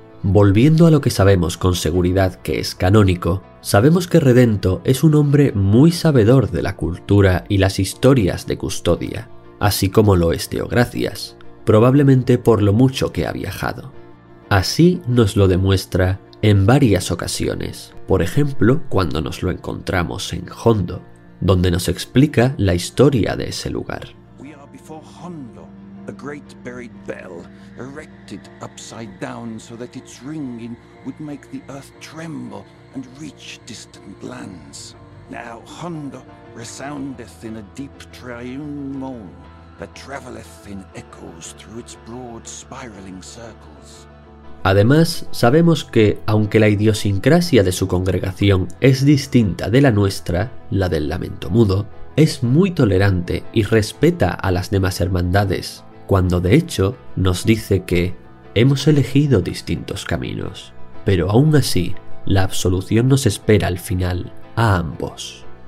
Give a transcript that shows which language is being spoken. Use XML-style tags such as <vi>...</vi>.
<es>Volviendo a lo que sabemos con seguridad que es canónico, sabemos que Redento es un hombre muy sabedor de la cultura y las historias de Custodia, así como lo es Teogracias, probablemente por lo mucho que ha viajado. Así nos lo demuestra en varias ocasiones, por ejemplo, cuando nos lo encontramos en Hondo, donde nos explica la historia de ese lugar.</es> <en>We are before Hondo, a great buried bell, erected upside down so that its ringing would make the earth tremble and reach distant lands. Now Hondo resoundeth in a deep triune moan that traveleth in echoes through its broad spiraling circles.</en> <es>Además, sabemos que, aunque la idiosincrasia de su congregación es distinta de la nuestra, la del lamento mudo, es muy tolerante y respeta a las demás hermandades, cuando de hecho nos dice que hemos elegido distintos caminos, pero aún así la absolución nos espera al final a ambos.</es>